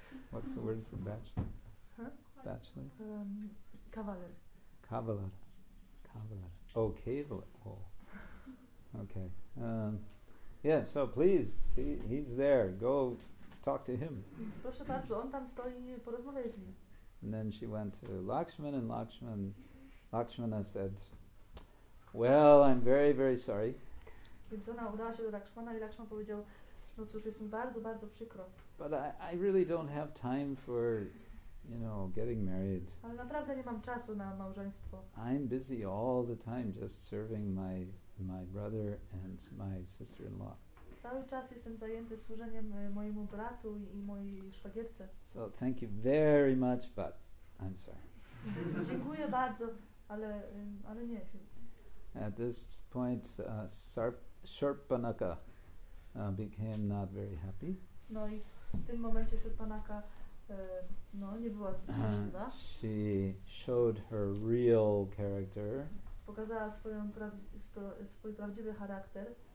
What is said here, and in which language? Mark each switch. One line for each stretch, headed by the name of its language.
English: What's the word for bachelor? Bachelor?
Polish: Kawaler. Kawaler. Oh, kawaler. Oh. Okay.
English: Yeah, so please, he's there. Go talk to him.
Polish: Więc proszę bardzo, on tam stoi, porozmawiaj z nim.
English: And then she went to Lakshman, and Lakshmana said, "Well, I'm very, very sorry."
Polish: Więc ona udała się do Lakshmana i Lakshman powiedział, no cóż, jest mi bardzo, bardzo przykro.
English: But I really don't have time for, you know, getting married.
Polish: Ale naprawdę nie mam czasu na małżeństwo.
English: I'm busy all the time just serving my brother and my sister-in-law.
Polish: Cały czas jestem zajęty służeniem mojemu bratu i mojej szwagierce.
English: So thank you very much, but I'm sorry.
Polish: Dziękuję bardzo, ale nie.
English: At this point, Sharpanaka became not very happy.
Polish: No i w tym momencie Sharpanaka nie była zbyt szczęśliwa.
English: She showed her real character.
Polish: Pokazała swój prawdziwy charakter.